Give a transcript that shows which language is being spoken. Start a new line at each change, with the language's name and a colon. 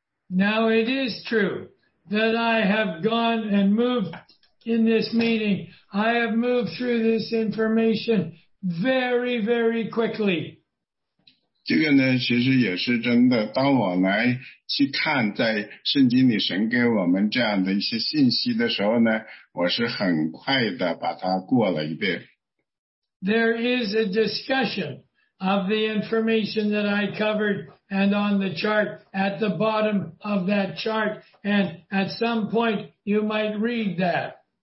English: Now it is true that I have gone and moved in this meeting. I have moved through this information very, very quickly.
Chinese: 这个呢，其实也是真的。当我来去看，在圣经里神给我们这样的一些信息的时候呢，我是很快的把它过了一遍。
English: There is a discussion of the information that I covered and on the chart at the bottom of that chart, and at some point you might read that.